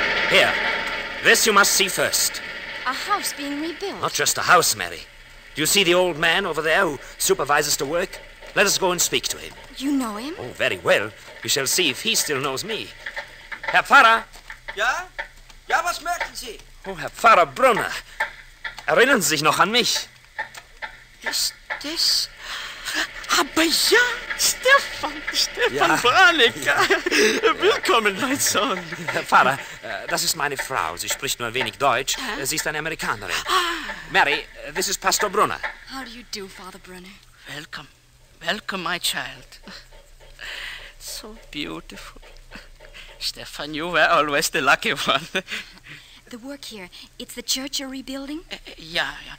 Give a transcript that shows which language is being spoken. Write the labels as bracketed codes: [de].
[en] Here. This you must see first. A house being rebuilt. Not just a house, Mary. Do you see the old man over there who supervises the work? Let us go and speak to him. You know him? Oh, very well. We shall see if he still knows me. [de] Herr Pfarrer? Ja? Ja, was möchten Sie? Oh, Herr Pfarrer Brunner. Erinnern Sie sich noch an mich? Ist das... Aber ja, Stefan ja. Branick. Ja. Willkommen, mein Sohn. Herr Pfarrer, das ist meine Frau. Sie spricht nur ein wenig Deutsch. Hä? Sie ist eine Amerikanerin. Ah. [en] Mary, this is Pastor Brunner. How do you do, Father Brunner? Welcome. Welcome, my child. So beautiful. Stefan, you were always the lucky one. The work here, it's the church you're rebuilding? Yeah.